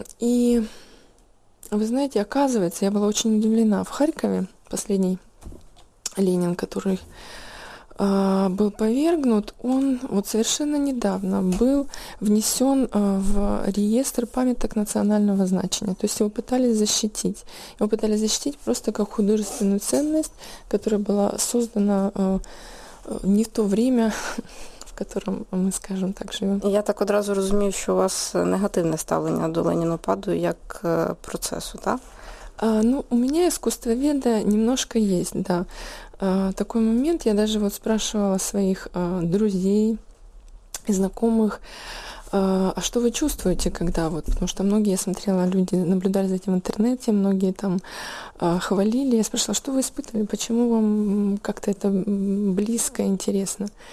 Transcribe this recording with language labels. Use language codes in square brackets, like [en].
[ru] И вы знаете, оказывается, я была очень удивлена, в Харькове последний Ленин, который был повергнут, он вот совершенно недавно был внесен в реестр памяток национального значения. То есть его пытались защитить. Его пытались защитить просто как художественную ценность, которая была создана не в то время, в котором мы, скажем так, живем. [uk] Я так одразу розумію, що у вас негативне ставлення до Ленінопаду як процесу, так? [ru] Ну, у меня искусствоведа немножко есть, да. Такой момент, я даже вот спрашивала своих друзей и знакомых, а что вы чувствуете, когда вот, потому что многие, я смотрела, люди наблюдали за этим в интернете, многие там хвалили, я спрашивала, что вы испытывали, почему вам как-то это близко, интересно.